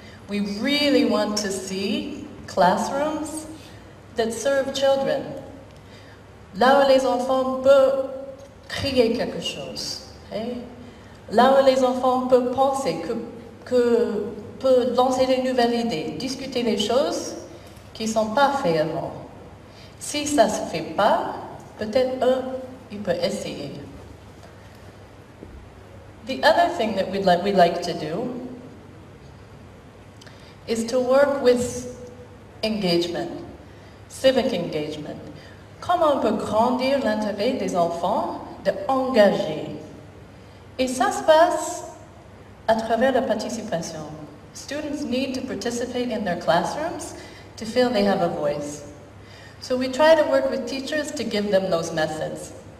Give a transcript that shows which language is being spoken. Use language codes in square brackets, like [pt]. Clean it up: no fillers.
[en] We really want to see classrooms that serve children. [fr] Là où les enfants peuvent créer quelque chose. Okay? Là où les enfants peuvent penser que peut lancer des nouvelles idées, discuter des choses qui ne sont pas faites avant. Si ça ne se fait pas, peut-être eux, ils peuvent essayer. [en] The other thing that we'd like to do is to work with engagement, civic engagement. [fr] Comment on peut grandir l'intérêt des enfants d'engager? Et ça se passe à travers la participation. [en] Students need to participate in their classrooms to feel they have a voice. So we try to work with teachers to give them those methods.